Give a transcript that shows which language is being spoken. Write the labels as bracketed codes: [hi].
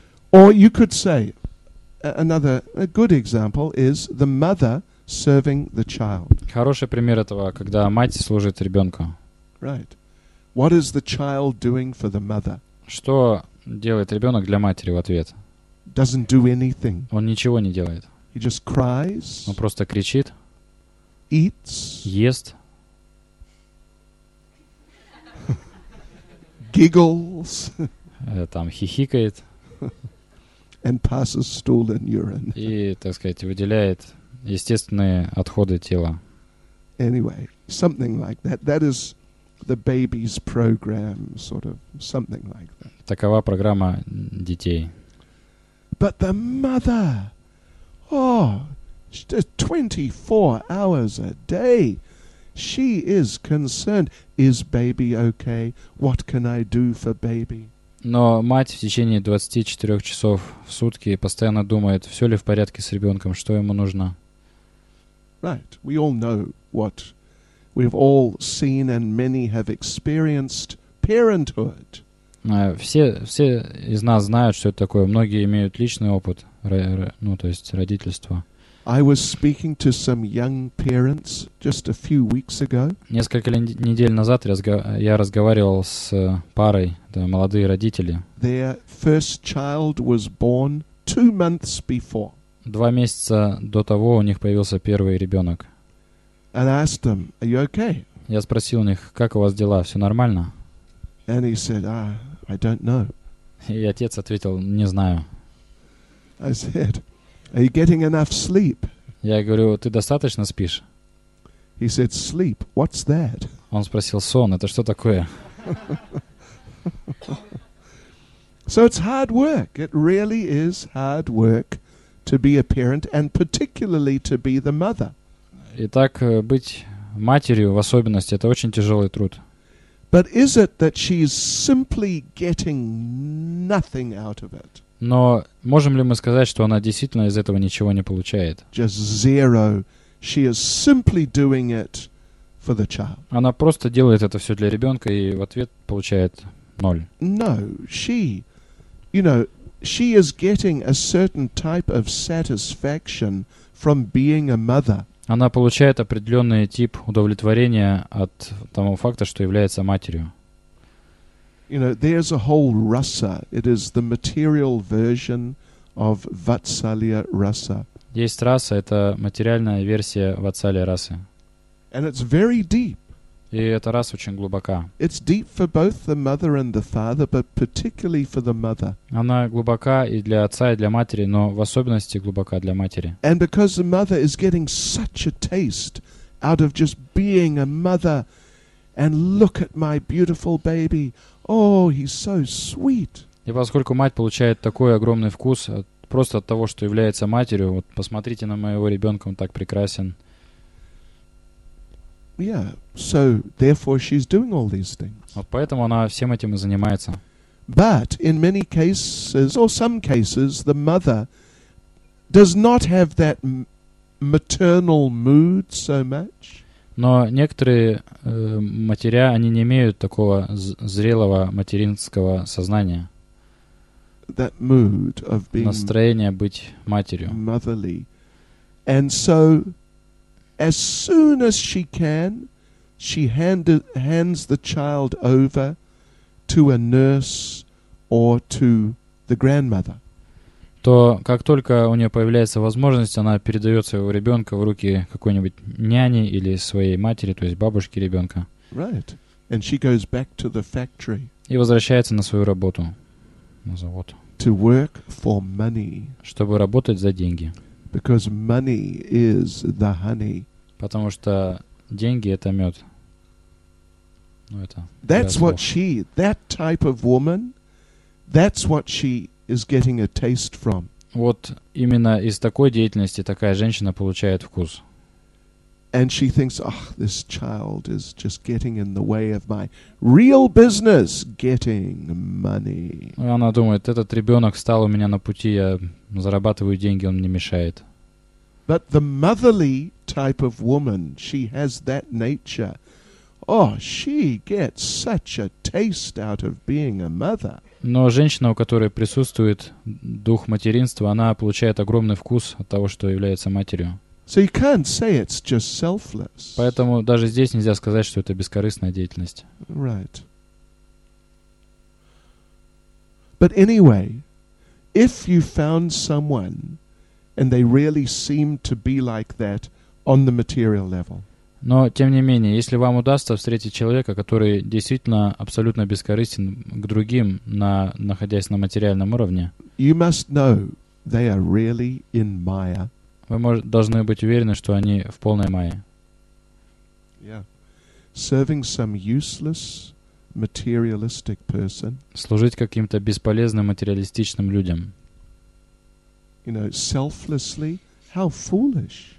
[en] Or you could say another a good example is the mother serving the child. [ru] Хороший пример этого, когда мать служит ребенку. [en] Right. What is the child doing for the mother? [ru] Что делает ребенок для матери в ответ? [en] Doesn't do anything. [ru] Он ничего не делает. [en] He just cries. [ru] Он просто кричит. [en] Eats. [ru] Ест. [en] Giggles. [ru] Там хихикает. [en] And passes stool and urine. [ru] И, так сказать, выделяет естественные отходы тела. [en] Anyway, something like that. That is the baby's program, sort of something like that. [ru] Такова программа детей. [en] But the mother, oh, 24 hours a day, she is concerned. Is baby okay? What can I do for baby? [ru] Но мать в течение 24 часов в сутки постоянно думает, все ли в порядке с ребенком, что ему нужно. [en] Right. We all know what we've all seen and many have experienced parenthood. [ru] Все из нас знают, что это такое. Многие имеют личный опыт, то есть родительство. [en] I was speaking to some young parents just a few weeks ago. [ru] Несколько недель назад я разговаривал с парой, да, молодые родители. [en] Their first child was born 2 months before. [ru] 2 месяца до того у них появился первый ребенок. [en] And I asked them, "Are you okay?" [ru] Я спросил у них, как у вас дела, все нормально? [en] And he said, "I don't know." [ru] И отец ответил, не знаю. [en] I said, "Are you getting enough sleep?" [ru] Я говорю, ты достаточно спишь? [en] He said, "Sleep? What's that?" [ru] Он спросил, сон, это что такое? [en] So it's hard work. It really is hard work to be a parent and particularly to be the mother. [ru] Итак, быть матерью в особенности это очень тяжелый труд. [en] But is it that she's simply getting nothing out of it? [ru] Но можем ли мы сказать, что она действительно из этого ничего не получает? [en] Just zero. She is simply doing it for the child. [ru] Она просто делает это все для ребенка и в ответ получает ноль. [en] No, she, you know, she is getting a certain type of satisfaction from being a mother. [ru] Она получает определенный тип удовлетворения от того факта, что является матерью. [en] You know, there's a whole rasa. It is the material version of vatsalya rasa. [ru] Есть раса, это материальная версия ватсалья расы. [en] And it's very deep. [ru] И эта раса очень глубока. [en] It's deep for both the mother and the father, but particularly for the mother. [ru] Она глубока и для отца, и для матери, но в особенности глубока для матери. [en] And because the mother is getting such a taste out of just being a mother, and look at my beautiful baby. Oh, he's so sweet. [ru] И поскольку мать получает такой огромный вкус просто от того, что является матерью, вот посмотрите на моего ребенка, он так прекрасен. [en] Yeah, so therefore she's doing all these things. [ru] Вот поэтому она всем этим и занимается. [en] But in many cases, or some cases, the mother does not have that maternal mood so much. [ru] Но некоторые матеря, они не имеют такого зрелого материнского сознания. [en] that mood of being [ru] настроение быть матерью. [en] Motherly. And so, as soon as she can, she hands the child over to a nurse or to the grandmother. [ru] То как только у нее появляется возможность, она передает своего ребенка в руки какой-нибудь няни или своей матери, то есть бабушке ребенка. [en] Right. And she goes back to the factory. [ru] И возвращается на свою работу, на завод. [en] To work for money. [ru] Чтобы работать за деньги. [en] Because money is the honey. [ru] Потому что деньги — это мед. Ну, это... [en] That's what she... That type of woman, that's what she is getting a taste from. [ru] Вот именно из такой деятельности такая женщина получает вкус. [en] And she thinks, oh, this child is just getting in the way of my real business, getting money. [ru] Она думает, этот ребенок встал у меня на пути, я зарабатываю деньги, он мне мешает. [en] But the motherly type of woman, she has that nature. Oh, she gets such a taste out of being a mother. [ru] Но женщина, у которой присутствует дух материнства, она получает огромный вкус от того, что является матерью. [en] So you can't say it's just selfless. [ru] Поэтому даже здесь нельзя сказать, что это бескорыстная деятельность. [en] Right. But anyway, if you found someone and they really seem to be like that on the material level. [ru] Но тем не менее, если вам удастся встретить человека, который действительно абсолютно бескорыстен к другим, находясь на материальном уровне, [en] you must know they are really in Maya. [ru] Вы должны быть уверены, что они в полной мае. [en] Yeah. Serving some useless materialistic person. [ru] Служить каким-то бесполезным материалистичным людям. [en] You know, selflessly, how foolish.